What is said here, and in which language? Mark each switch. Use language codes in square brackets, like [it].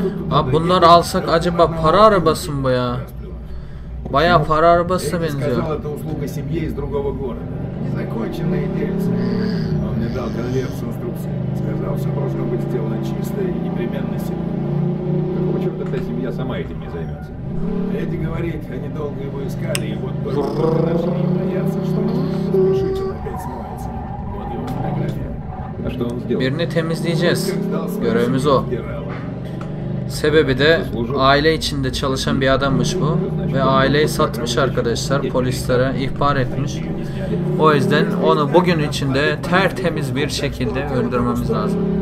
[tr] А, bunlar alsak acaba para arabası mı ya? Baya para arabası benziyor. [ru] Сказал, это услуга семьи из другого города. Незаконченные дельцы. Он мне дал конверт с инструкцией. Сказал, все должно быть сделано чисто и непременно сегодня. Какого черта эта семья сама этим не займется? Эдди говорит, они долго его искали, и вот только начали бояться, что он решительно опять снимается. Вот его фотография. А что он сделал? [tr] Birini temizleyeceğiz. Görevimiz o. Sebebi de aile içinde çalışan bir adammış bu ve aileyi satmış arkadaşlar, polislere ihbar etmiş. O yüzden onu bugün içinde tertemiz bir şekilde öldürmemiz lazım.